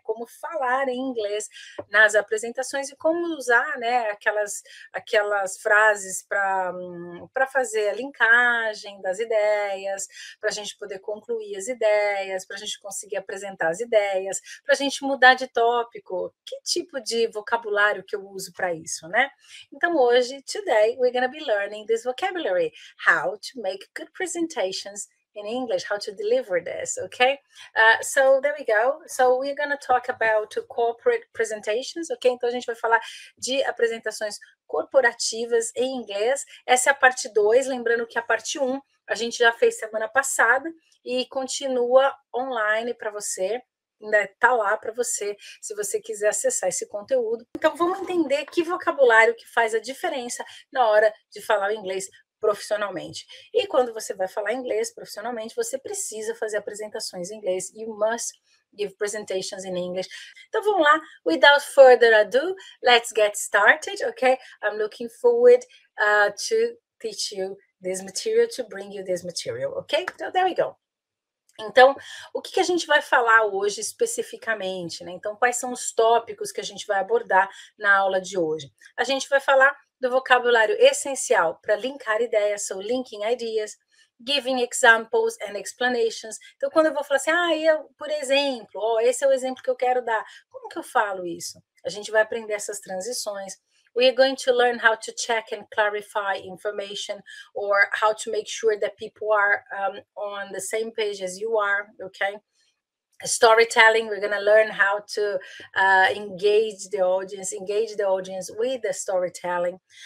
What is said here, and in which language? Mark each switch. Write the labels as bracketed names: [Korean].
[Portuguese] Como falar em inglês nas apresentações e como usar, né, aquelas frases para fazer a linkagem das ideias, para a gente poder concluir as ideias, para a gente conseguir apresentar as ideias, para a gente mudar de tópico, que tipo de vocabulário que eu uso para isso, né? Então hoje, [English] today, we're gonna be learning this vocabulary, how to make good presentations in English, how to deliver this, okay? So there we go. So we're gonna talk about corporate presentations, okay? [Portuguese] Então a gente vai falar de apresentações corporativas em inglês. Essa é a parte 2, lembrando que a parte 1 a gente já fez semana passada e continua online para você, ainda está lá para você, se você quiser acessar esse conteúdo. Então, vamos entender que vocabulário que faz a diferença na hora de falar o inglês profissionalmente. E quando você vai falar inglês profissionalmente, você precisa fazer apresentações em inglês. [English] You must give presentations in English. [Portuguese] Então, vamos lá. [English] Without further ado, let's get started, okay? I'm looking forward, to teach you this material, to bring you this material, okay? So there we go. [Portuguese] Então, o que que a gente vai falar hoje especificamente, né? Então, quais são os tópicos que a gente vai abordar na aula de hoje? A gente vai falar do vocabulário essencial para linkar ideias, [English] so linking ideas, giving examples and explanations. [Portuguese] Então, quando eu vou falar assim, ah, eu, por exemplo, ó, esse é o exemplo que eu quero dar, como que eu falo isso? A gente vai aprender essas transições. [English] We are going to learn how to check and clarify information or how to make sure that people are on the same page as you are, okay? Storytelling, we're going to learn how to engage the audience with the storytelling.